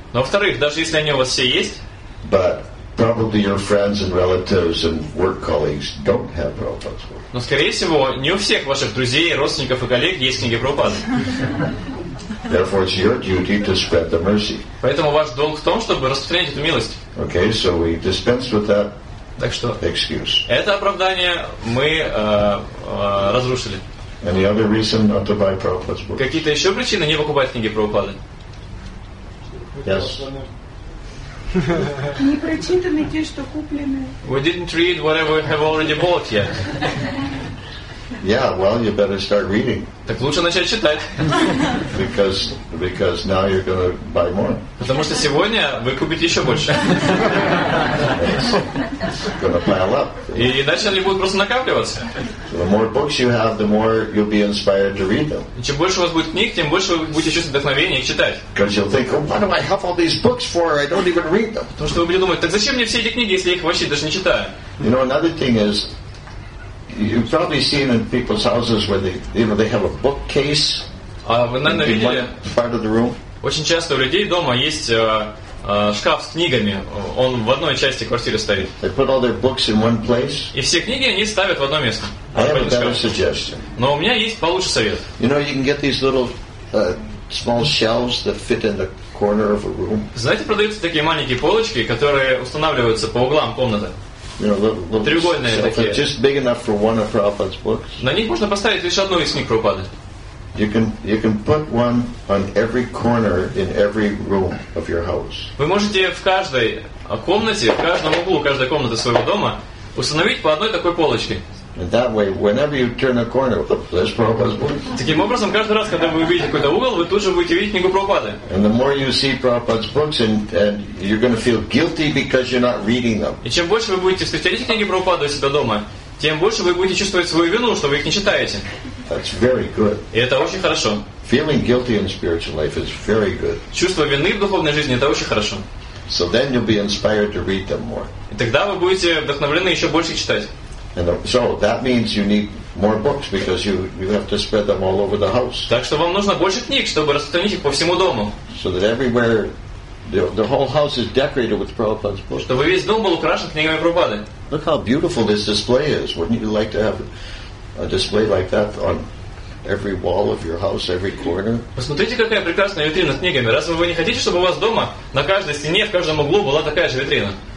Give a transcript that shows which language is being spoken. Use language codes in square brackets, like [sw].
[ru] Но во-вторых, даже если они у вас все есть. [en] But probably your friends and relatives and work colleagues don't have Prabhupada's work. [ru] Но скорее всего, не у всех ваших друзей, родственников и коллег есть книги Прабхупады. [en] Therefore, it's your duty to spread the mercy. [ru] Поэтому ваш долг в том, чтобы распространять эту милость. [en] Okay, so we dispense with that. [ru] Так что [en] excuse. [ru] Это оправдание мы разрушили. [en] Any other reason not to buy Prabhupada's books? [ru] Какие-то еще причины не покупать книги Прабхупады? [en] Yes. [ru] Не прочитаны те, что куплены. [en] We didn't read whatever we have already bought yet. Yeah, well, you better start reading. [ru] Так лучше начать читать. [en] Because now you're going to buy more. [ru] Потому что сегодня вы купите еще больше. [en] Gonna pile up. [ru] И дальше они будут просто накапливаться. [en] So the more books you have, the more you'll be inspired to read them. [ru] И чем больше у вас будет книг, тем больше вы будете чувствовать вдохновение их читать. [en] Because you'll think, oh, what do I have all these books for? I don't even read them. [ru] Потому что вы будете думать, так зачем мне все эти книги, если я их вообще даже не читаю? [en] You know, another thing is, you've probably seen in people's houses where they, you know, they have a bookcase in one part of the room. [ru] Очень часто у людей дома есть шкаф с книгами. Он в одной части квартиры стоит. [en] They put all their books in one place. [ru] И все книги они ставят в одно место. [en] I have a better suggestion. [ru] Но у меня есть получше совет. [en] You know, you can get these little small shelves that fit in the corner of a room. [ru] Знаете, продаются такие маленькие полочки, которые устанавливаются по углам комнаты. [en] You know, little [ru] треугольные такие. [en] Just big enough for one of Prabhupada's books. [ru] На них можно поставить лишь одну из книг Прабхупады. [en] You can put one on every corner in every room of your house. [ru] Вы можете в каждой комнате, в каждом углу каждой комнаты своего дома установить по одной такой полочке. [en] And that way, whenever you turn a corner, there's Prabhupada's book. [ru] Таким образом, каждый раз, когда вы увидите какой-то угол, вы тут же будете видеть книгу Прабхупады. [en] And the more you see Prabhupada's books, and you're going to feel guilty because you're not reading them. [ru] И чем больше вы будете встречать книги Прабхупады у себя дома, тем больше вы будете чувствовать свою вину, что вы их не читаете. [en] That's very good. [ru] И это очень хорошо. [en] Feeling guilty in spiritual life is very good. [ru] Чувство вины в духовной жизни это очень хорошо. [en] So then you'll be inspired to read them more. [ru] И тогда вы будете вдохновлены еще больше их читать. [en] And so that means you need more books because you have to spread them all over the house. [ru] Так что вам нужно больше книг, чтобы распространить их по всему дому. [en] So that everywhere the whole house is decorated with Prabhupada's books. [ru] Чтобы весь дом был украшен книгами Прабхупады. [en] Look how beautiful this display is. Wouldn't you like to have a display like that on every wall of your house, every corner? [ru] Посмотрите, какая прекрасная витрина с книгами. Разве вы не хотите, чтобы у вас дома на каждой стене, в каждом углу была такая же витрина?